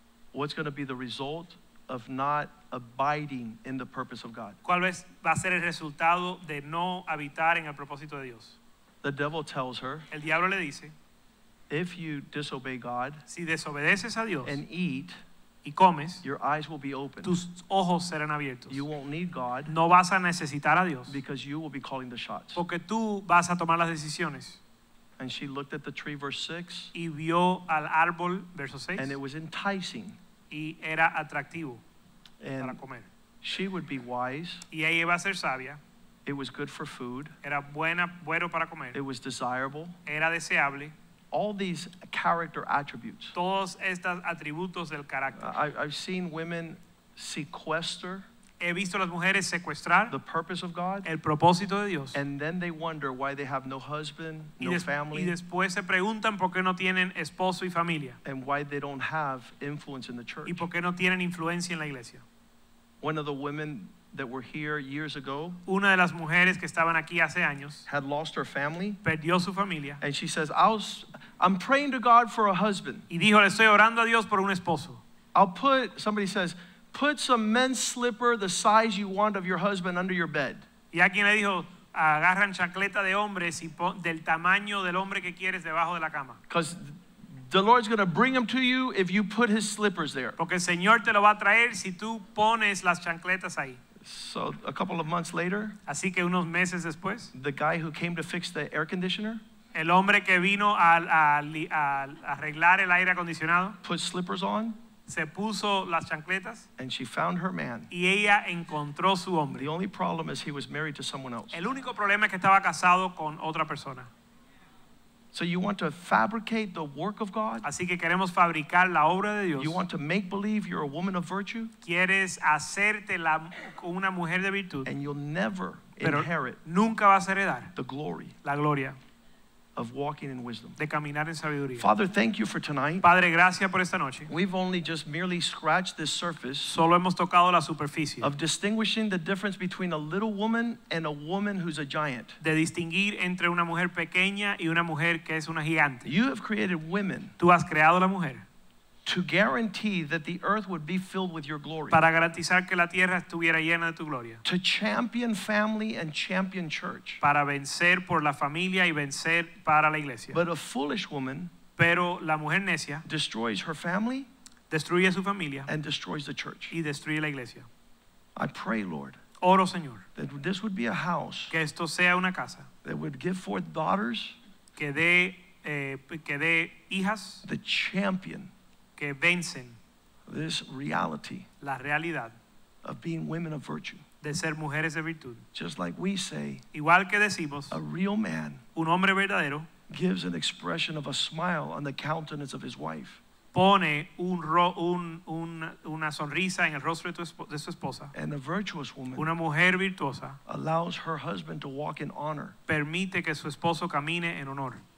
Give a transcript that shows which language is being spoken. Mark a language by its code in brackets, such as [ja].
[en] What's going to be the result of not abiding in the purpose of God? [es] ¿Cuál va a ser el resultado de no habitar en el propósito de Dios? [en] The devil tells her, [es] el diablo le dice, [en] if you disobey God, [es] si desobedeces a Dios, [en] and eat, [es] y comes, [en] your eyes will be open. [es] Tus ojos serán abiertos. [en] You won't need God, [es] no vas a necesitar a Dios, [en] because you will be calling the shots. [es] Porque tú vas a tomar las decisiones. [en] And she looked at the tree, verse 6, [es] y vio al árbol, verso 6, [en] and it was enticing, [es] y era atractivo, [en] and [es] para comer. [en] She would be wise, [es] y ella iba a ser sabia. [en] It was good for food. [es] Era buena, bueno para comer. [en] It was desirable. [es] Era deseable. [en] All these character attributes. [es] Todos estos atributos del carácter. [en] I've seen women sequester. [es] He visto las mujeres secuestrar. [en] The purpose of God. [es] El propósito de Dios. [en] And then they wonder why they have no husband, no family. [es] Y después se preguntan por qué no tienen esposo y familia. [en] And why they don't have influence in the church. [es] Y por qué no tienen influencia en la iglesia. [en] One of the women that were here years ago, [es] una de las mujeres que estaban aquí hace años, [en] had lost her family, [es] perdió su familia, [en] and she says, I'm praying to God for a husband. [es] Y dijo, le estoy orando a Dios por un esposo. [en] Somebody says, put some men's slipper the size you want of your husband under your bed. [es] Y alguien le dijo, agarran chancleta de hombres y del tamaño del hombre que quieres debajo de la cama. [en] Because The Lord's going to bring them to you if you put his slippers there. [es] Porque el Señor te lo va a traer si tú pones las chancletas ahí. [en] So a couple of months later, [es] así que unos meses después, [en] the guy who came to fix the air conditioner, [es] el hombre que vino a arreglar el aire acondicionado, [en] put slippers on, [es] se puso las chancletas, [en] and she found her man. [es] Y ella encontró su hombre. [en] The only problem is he was married to someone else. [es] El único problema es que estaba casado con otra persona. [en] So you want to fabricate the work of God? [es] Así que queremos fabricar la obra de Dios. [en] You want to make believe you're a woman of virtue? [es] Quieres hacerte la una mujer de virtud. [en] And you'll never [es] Pero [en] inherit [es] nunca vas a heredar [en] the glory. [es] La gloria. [en] Of walking in wisdom. [es] De caminar en sabiduría. [en] Father, thank you for tonight. [es] Padre, gracias por esta noche. [en] We've only just merely scratched the surface. [es] Solo hemos tocado la superficie. [en] Of distinguishing the difference between a little woman and a woman who's a giant. [es] De distinguir entre una mujer pequeña y una mujer que es una gigante. [en] You have created women. [es] Tú has creado la mujer. [en] To guarantee that the earth would be filled with your glory. [es] Para garantizar que la tierra estuviera llena de tu gloria. [en] To champion family and champion church. [es] Para vencer por la familia y vencer para la iglesia. [en] But a foolish woman, [es] pero la mujer necia, [en] destroys her family, [es] destruye su familia, [en] and destroys the church. [es] Y destruye la iglesia. [en] I pray, Lord, [es] oro, Señor, [en] that this would be a house, [es] que esto sea una casa, [en] that would give forth daughters, [es] que dé hijas, [en] the champion. [es] Que vencen [en] this reality, [es] la realidad, [en] of being women of virtue, [es] de ser mujeres de virtud, [en] just like we say, [es] igual que decimos, [en] a real man, [es] un hombre verdadero, [en] gives an expression of a smile on the countenance of his wife, [es] pone una sonrisa en el rostro de su esposa, [en] and a virtuous woman, [es] una mujer virtuosa, [en] allows her husband to walk in honor, [es] permite que su esposo camine en honor.